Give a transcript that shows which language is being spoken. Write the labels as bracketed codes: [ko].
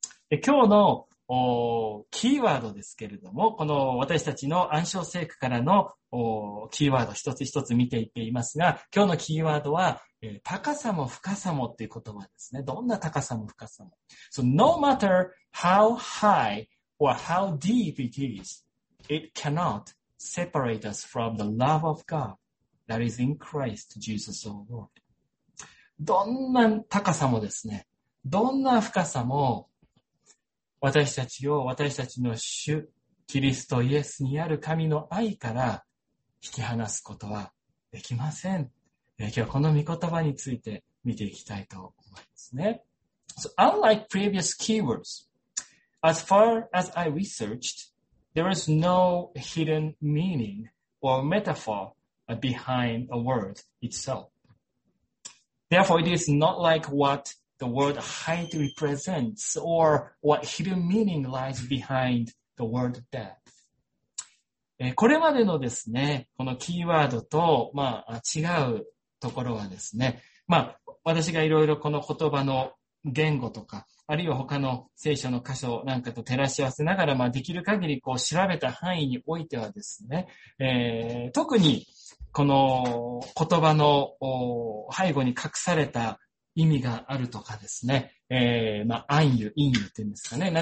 [ja] 今日のキーワードですけれども、この私たちの暗証聖句からのキーワード一つ一つ見ていっていますが、今日のキーワードは、高さも深さもっていう言葉ですね。どんな高さも深さも。 [en] So no matter how high or how deep it is, it cannot separate us from the love of God that is in Christ Jesus our Lord. [ja] どんな高さもですね。どんな深さも私たちを私たちの主キリストイエスにある神の愛から引き離すことはできません。今日はこの御言葉について見ていきたいと思いますね。 [en] So unlike previous keywords, as far as I researched, there is no hidden meaning or metaphor behind a word itself. Therefore, it is not like whatThe word height represents or what hidden meaning lies behind the word depth. [ja] これまでのですね、このキーワードと、まあ、違うところはですね、まあ、私がいろいろこの言葉の言語とか、あるいは他の聖書の箇所なんかと照らし合わせながら、まあ、できる限りこう調べた範囲においてはですね、特にこの言葉の背後に隠された意味があるとかですね、まあ、暗喩、隠喩って言うんですかね。